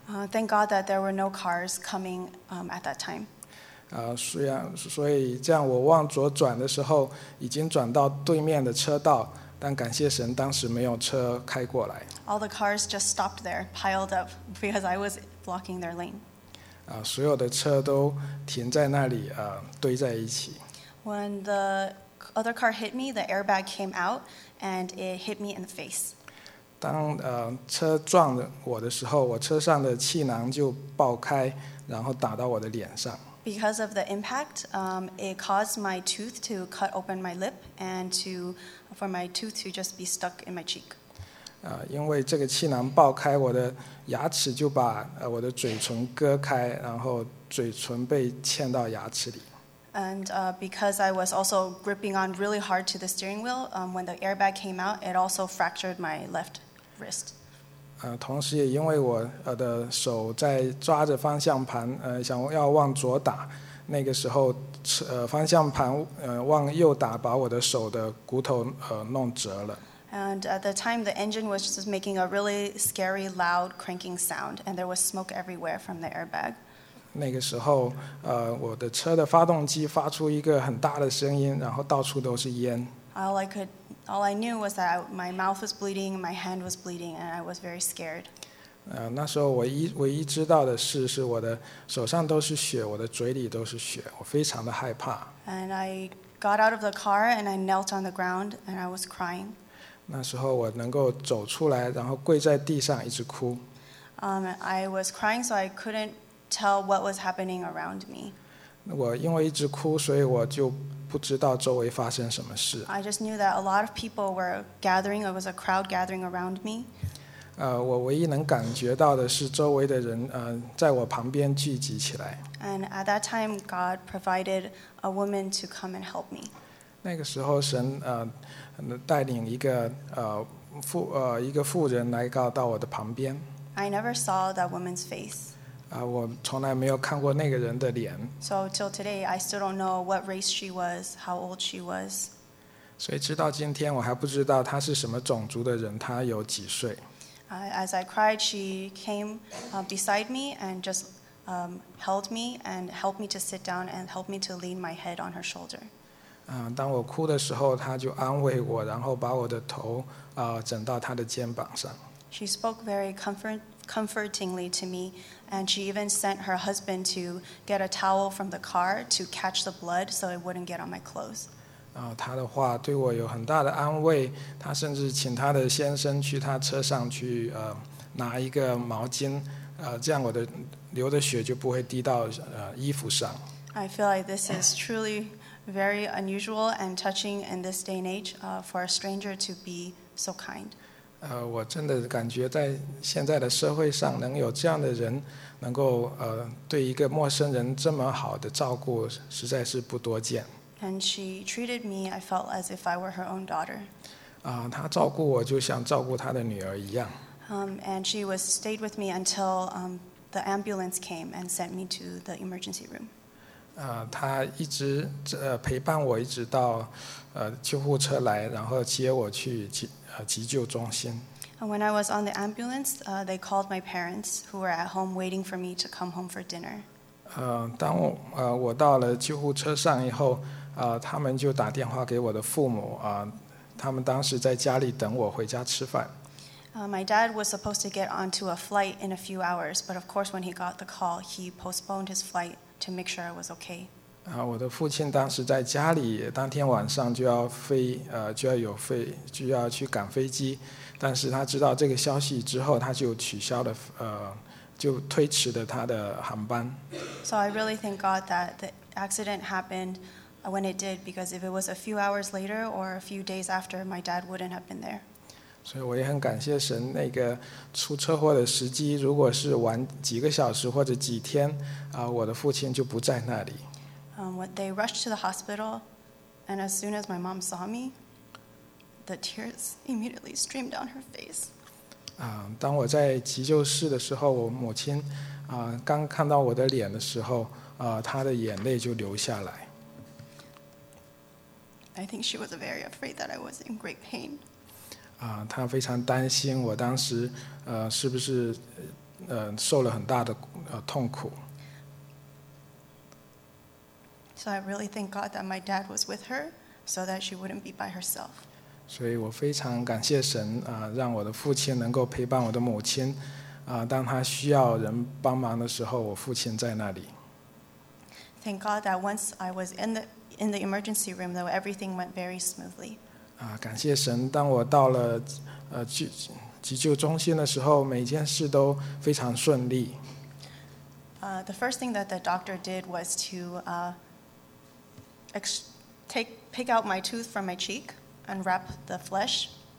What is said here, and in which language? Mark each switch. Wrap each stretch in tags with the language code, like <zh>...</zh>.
<en>Thank God that there were no cars coming at that time.</en> <zh>所以这样我往左转的时候已经转到对面的车道，但感谢神当时没有车开过来。</zh> <en>All the cars just stopped there, piled up, because I was blocking their lane.</en> <zh>所有的车都停在那里，堆在一起。</zh> <en>When the other car hit me, the airbag came out and it hit me in the face.</en> <zh>当车撞我的时候，我车上的气囊就爆开，然后打到我的脸上。</zh> <en>Because of the impact, it caused my tooth to cut open my lip and for my tooth to just be stuck in my cheek.</en> <zh>因为这个气囊爆开，我的牙齿就把我的嘴唇割开，然后嘴唇被嵌到牙齿里。</zh> <en>And because I was also gripping on really hard to the steering wheel, when the airbag came out, it also fractured my left wrist.</en> <zh>同时也因为我的手在抓着方向盘，想要往左打，那个时候，方向盘往右打，把我的手的骨头弄折了。</zh> <en>And at the time, the engine was just making a really scary, loud cranking sound, and there was smoke everywhere from the airbag.</en> <zh>那个时候，我的车的发动机发出一个很大的声音，然后到处都是烟。</zh> <en>All I knew was that my mouth was bleeding, my hand was bleeding, and I was very scared.</en> <zh>那时候我唯一知道的事是我的手上都是血，我的嘴里都是血，我非常的害怕。</zh> <en>And I got out of the car and I knelt on the ground and I was crying.</en> <zh>那时候我能够走出来，然后跪在地上一直哭。</zh> <en>I was crying, so I couldn't. Tell what was happening around me.</en> <zh>我因为一直哭，所以我就不知道周围发生什么事。</zh> <en>I just knew that a lot of people were gathering. It was a crowd gathering around me.</en> <zh>我唯一能感觉到的是周围的人，在我旁边聚集起来。</zh> <en>And at that time, God provided a woman to come and help me.</en> <zh>那个时候神，带领一个妇人来到我的旁边。</zh> <en>I never saw that woman's face.</en> <zh>我从来没有看过那个人的脸。</zh> <en>So till today, I still don't know what race she was, how old she was.</en> <zh>所以直到今天，我还不知道她是什么种族的人，她有几岁。</zh> <en>As I cried, she came beside me and just held me and helped me to sit down and helped me to lean my head on her shoulder.</en> <zh>当我哭的时候，她就安慰我，然后把我的头枕到她的肩膀上。</zh> <en>She spoke very comfortingly to me, and she even sent her husband to get a towel from the car to catch the blood so it wouldn't get on my clothes.</en> <zh>她的话对我有很大的安慰，她甚至请她的先生去她车上去拿一个毛巾，这样我的流的血就不会滴到衣服上。</zh> <en>I feel like this is truly very unusual and touching in this day and age for a stranger to be so kind.</en> <zh>我真的感觉在现在的社会上能有这样的人能够对一个陌生人这么好的照顾实在是不多见。</zh> <en>And she treated me, I felt as if I were her own daughter.</en> <zh>她照顾我就像照顾她的女儿一样。</zh> <en>And she was stayed with me until the ambulance came and sent me to the emergency room.</en> <zh>她一直陪伴我一直到救护车来，然后接我去急救中心。</zh> <en>And when I was on the ambulance, they called my parents who were at home waiting for me to come home for dinner.</en> <zh>当我到了救护车上以后，他们就打电话给我的父母，他们当时在家里等我回家吃饭。</zh> <en>My dad was supposed to get onto a flight in a few hours, but of course when he got the call, he postponed his flight to make sure I was okay.</en> <zh>我的父亲当时在家里，当天晚上就要去赶飞机，但是他知道这个消息之后，他就取消了，就推迟了他的航班。</zh> <en>So I really thank God that the accident happened when it did, because if it was a few hours later or a few days after, my dad wouldn't have been there.</en> <zh>所以我也很感谢神，那个出车祸的时机如果是晚几个小时或者几天，我的父亲就不在那里。</zh> <en>They rushed to the hospital, and as soon as my mom saw me, the tears immediately streamed down her face.</en> <zh>当我在急救室的时候，我母亲刚看到我的脸的时候，她的眼泪就流下来。</zh> <en>I think she was very afraid that I was in great pain.</en> <zh>他非常担心我当时是不是受了很大的痛苦。</zh> <en>So I really thank God that my dad was with her so that she wouldn't be by herself.</en> <zh>所以我非常感谢神让我的父亲能够陪伴我的母亲当他需要人帮忙的时候我父亲在那里。</zh> <en>Thank God that once I was in the emergency room though everything went very smoothly.</en> <zh>感谢神，当我到了急救中心的时候，每件事都非常顺利。</zh> <en>The first thing that the doctor did was to pick out my tooth from my cheek and wrap the flesh.</en>